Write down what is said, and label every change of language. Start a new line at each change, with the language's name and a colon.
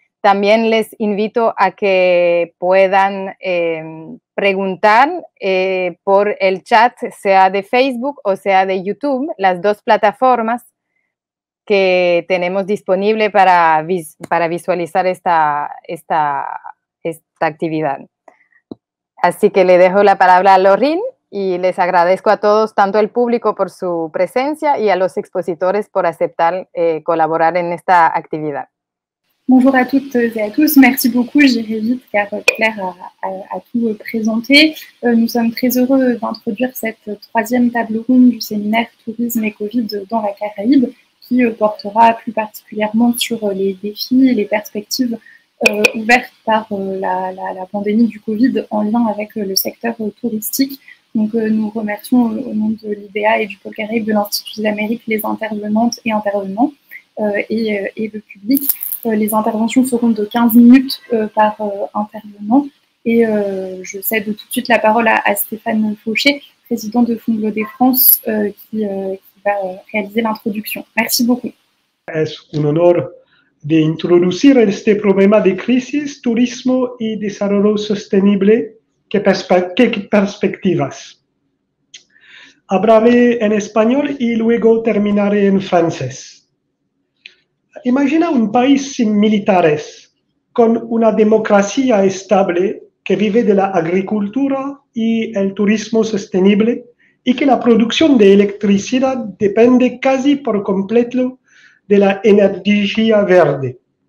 Spanish: También les invito a que puedan preguntar por el chat, sea de Facebook o sea de YouTube, las dos plataformas que tenemos disponible para visualizar esta actividad. Así que le dejo la palabra a Laurine. Y les agradezco a todos, tanto al público por su presencia y a los expositores por aceptar colaborar en esta actividad.
French: Bonjour à toutes et à tous. Merci beaucoup. J'irai vite car Claire a tout présenté. Nous sommes très heureux d'introduire cette troisième table ronde du séminaire Tourisme et Covid dans la Caraïbe qui portera plus particulièrement sur les défis et les perspectives ouvertes par la pandémie du Covid en lien avec le secteur touristique. Donc, nous remercions au nom de l'IDEA et du Polo Caribe, de l'Institut d'Amérique, les intervenantes et intervenants et le public. Les interventions seront de 15 minutes par intervenant. Et je cède tout de suite la parole à Stéphane Fauché, président de Funglode France, qui va réaliser l'introduction. Merci beaucoup. C'est un honneur d'introduire ce problème de crise, tourisme et développement sostenible.
Spanish: ¿Qué perspectivas? Hablaré en español y luego terminaré en francés. Imagina un país sin militares, con una democracia estable que vive de la agricultura y el turismo sostenible y que la producción de electricidad depende casi por completo de la energía verde.